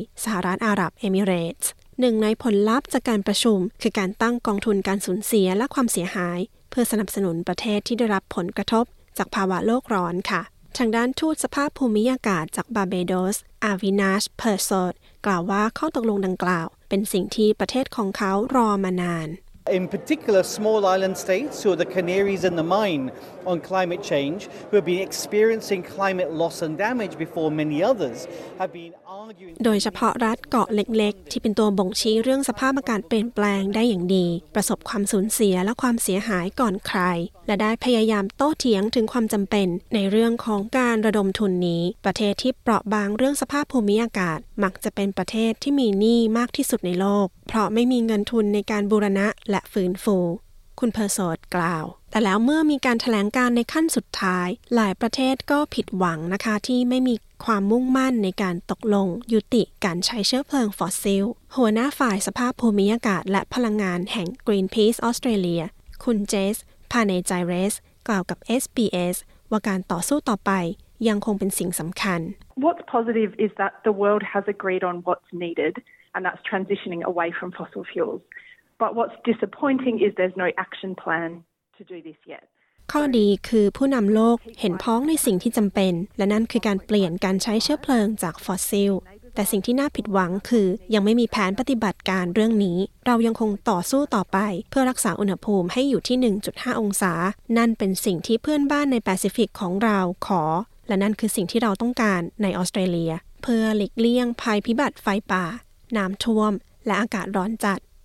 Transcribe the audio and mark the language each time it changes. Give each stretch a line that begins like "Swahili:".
Thai: สหรัฐอาหรับเอมิเรตส์หนึ่งในผลลัพธ์จากการประชุมคือการตั้งกองทุนการสูญเสียและความเสียหายเพื่อสนับสนุนประเทศที่ได้รับผลกระทบจากภาวะโลกร้อนค่ะทางด้านทูตสภาพภูมิอากาศจากบาร์เบโดสอาวินาชเพอร์ซอดกล่าวว่าข้อตกลงดังกล่าวเป็นสิ่งที่ประเทศของเขารอมานาน
English: In particular small island states who are the canaries in the mine on climate change who have been experiencing climate loss and damage before many others have been arguing
Thai: โดยเฉพาะรัฐเกาะเล็กๆที่เป็นตัวบ่งชี้เรื่องสภาพอากาศเปลี่ยนแปลงได้อย่างดีประสบความสูญเสียและความเสียหายก่อนใครและได้พยายามโต้เถียงถึงความจำเป็นในเรื่องของการระดมทุนนี้ประเทศที่เปราะบางเรื่องสภาพภูมิอากาศมักจะเป็นประเทศที่มีหนี้มากที่สุดในโลกเพราะไม่มีเงินทุนในการบูรณะและฟื้นฟู คุณเพอร์โซดกล่าวแต่แล้วเมื่อมีการแถลงการในขั้นสุดท้ายหลายประเทศก็ผิดหวังนะคะที่ไม่มีความมุ่งมั่นในการตกลงยุติการใช้เชื้อเพลิงฟอสซิลหัวหน้าฝ่ายสภาพภูมิอากาศและพลังงานแห่ง Greenpeace Australia คุณเจสพาเนจายเรสกล่าวกับ SBS ว่าการต่อสู้ต่อไปยังคงเป็นสิ่งสำคัญ
English: What's positive is that the world has agreed on what's needed and that's transitioning away from fossil fuels. But what's disappointing is there's no action plan to do this yet.
Thai: ข้อดีคือผู้นำโลกเห็นพ้องในสิ่งที่จำเป็นและนั่นคือการเปลี่ยนการใช้เชื้อเพลิงจากฟอสซิลแต่สิ่งที่น่าผิดหวังคือยังไม่มีแผนปฏิบัติการเรื่องนี้เรายังคงต่อสู้ต่อไปเพื่อรักษาอุณหภูมิให้อยู่ที่ 1.5 องศานั่นเป็นสิ่งที่เพื่อนบ้านในแปซิฟิกของเราขอและนั่นคือสิ่งที่เราต้องการในออสเตรเลียเพื่อหลีกเลี่ยงภัยพิบัติไฟป่าน้ำท่วมและอากาศร้อนจัด